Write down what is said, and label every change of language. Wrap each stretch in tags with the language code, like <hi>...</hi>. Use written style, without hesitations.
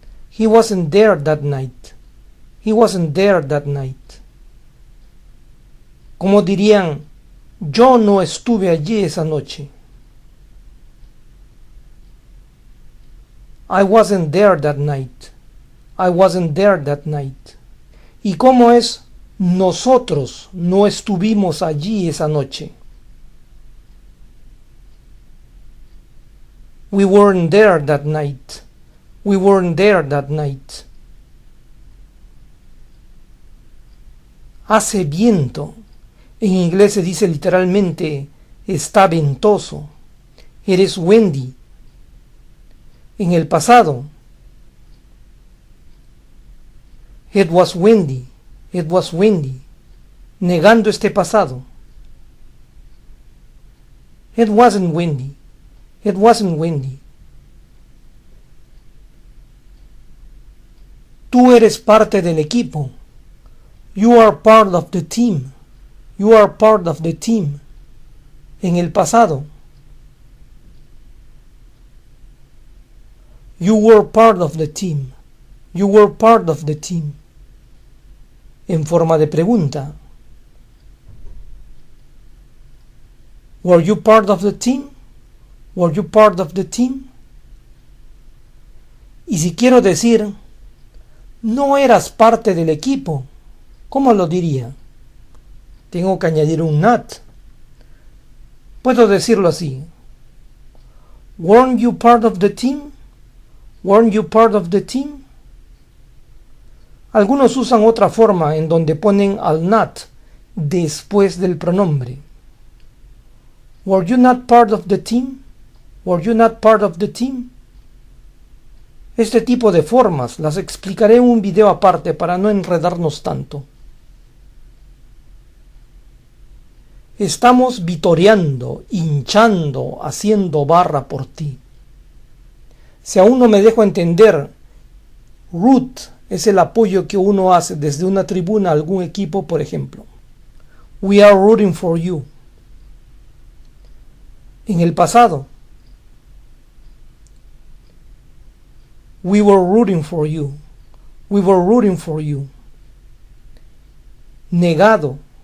<en>He wasn't there that night. He wasn't there that night.</en> <es>Como dirían, yo no estuve allí esa noche.</es> <en>I wasn't there that night. I wasn't there that night.</en> <es>¿Y cómo es nosotros no estuvimos allí esa noche?</es> <en>We weren't there that night. We weren't there that night.</en> <es>Hace viento. En inglés se dice literalmente, está ventoso.</es> <en>It is windy.</en> <es>En el pasado,</es> <en>it was windy. It was windy.</en> <es>Negando este pasado.</es> <en>It wasn't windy. It wasn't windy.</en> <es>Tú eres parte del equipo.</es> <en>You are part of the team. You are part of the team.</en> <es>En el pasado.</es> <en>You were part of the team. You were part of the team.</en> <es>En forma de pregunta.</es> <en>Were you part of the team? Were you part of the team?</en> <es>Y si quiero decir, no eras parte del equipo, ¿cómo lo diría? Tengo que añadir un not. Puedo decirlo así.</es> <en>Weren't you part of the team? Weren't you part of the team?</en> <es>Algunos usan otra forma en donde ponen al not después del pronombre.</es> <en>Were you not part of the team? Were you not part of the team?</en> <es>Este tipo de formas las explicaré en un video aparte para no enredarnos tanto. Estamos vitoreando, hinchando, haciendo barra por ti. Si aún no me dejo entender, root es el apoyo que uno hace desde una tribuna a algún equipo, por ejemplo.</es> <en>We are rooting for you.</en> <es>En el pasado,</es> <en>we were rooting for you. We were rooting for you.</en> <es>Negado.</es>